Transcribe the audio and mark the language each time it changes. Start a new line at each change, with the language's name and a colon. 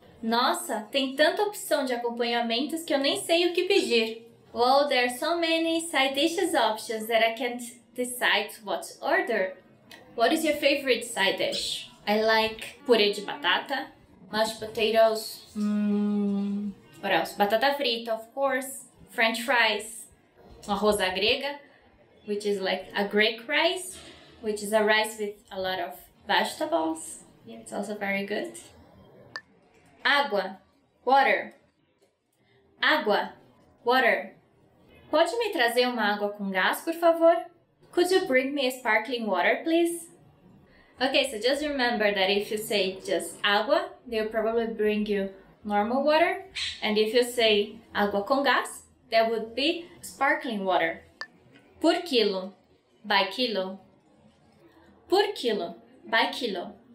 Portuguese: Nossa, tem tanta opção de acompanhamentos que eu nem sei o que pedir.
English: Well, there are so many side dishes options that I can't decide what to order. What is your favorite side dish? I like purê de batata, mashed potatoes, what else? Batata frita, of course, french fries, arroz à grega, which is like a Greek rice, which is a rice with a lot of vegetables. Yeah, it's also very good. Água, water. Água, water.
Portuguese: Pode me trazer uma água com gás, por favor?
English: Could you bring me a sparkling water, please? Okay, so just remember that if you say just água, they'll probably bring you normal water. And if you say água com gás, that would be sparkling water. Por quilo, by quilo. Por quilo, by quilo.